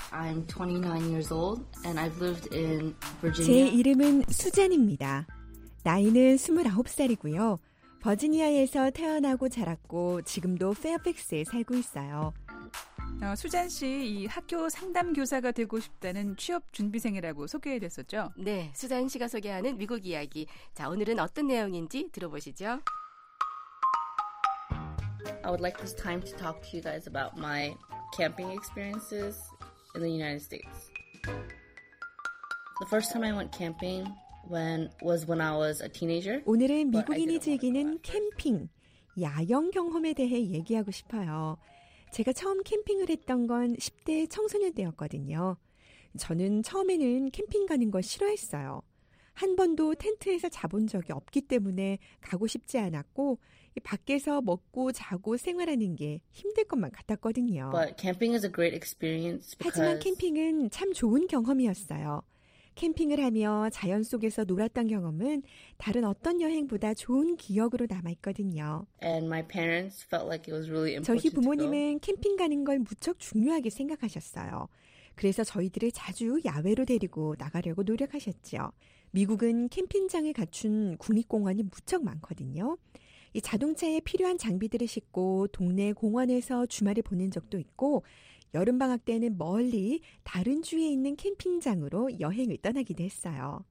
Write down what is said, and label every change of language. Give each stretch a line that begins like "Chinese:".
English: I'm 29 years old and I've lived in Virginia.
Korean: 제 이름은 수잔입니다. 나이는 29살이고요. 버지니아에서 태어나고 자랐고 지금도 페어팩스에 살고 있어요. 수잔 씨, 이 학교 상담 교사가 되고 싶다는 취업 준비생이라고 소개됐었죠? 네, 수잔 씨가 소개하는 미국 이야기. 자, 오늘은 어떤 내용인지 들어보시죠.
English: I would like this time to talk to you guys about my camping experiences in the United States. The first time I went camping was when I was a teenager.
Korean: 오늘은 미국인이 즐기는 캠핑, 야영 경험에 대해 얘기하고 싶어요. 제가 처음 캠핑을 했던 건 10대 청소년 때였거든요. 저는 처음에는 캠핑 가는 걸 싫어했어요. 한 번도 텐트에서 자본 적이 없기 때문에 가고 싶지 않았고 밖에서 먹고 자고 생활하는 게 힘들 것만 같았거든요.
English: But camping is a great experience because
Korean: 하지만 캠핑은 참 좋은 경험이었어요. 캠핑을 하며 자연 속에서 놀았던 경험은 다른 어떤 여행보다 좋은 기억으로 남아있거든요.
English: And my parents felt like it was really important.
Korean: 저희 부모님은 캠핑 가는 걸 무척 중요하게 생각하셨어요. 그래서 저희들을 자주 야외로 데리고 나가려고 노력하셨죠. 미국은 캠핑장을 갖춘 국립공원이 무척 많거든요. 이 자동차에 필요한 장비들을 싣고 동네 공원에서 주말을 보낸 적도 있고 여름방학 때는 멀리 다른 주에 있는 캠핑장으로 여행을 떠나기도 했어요.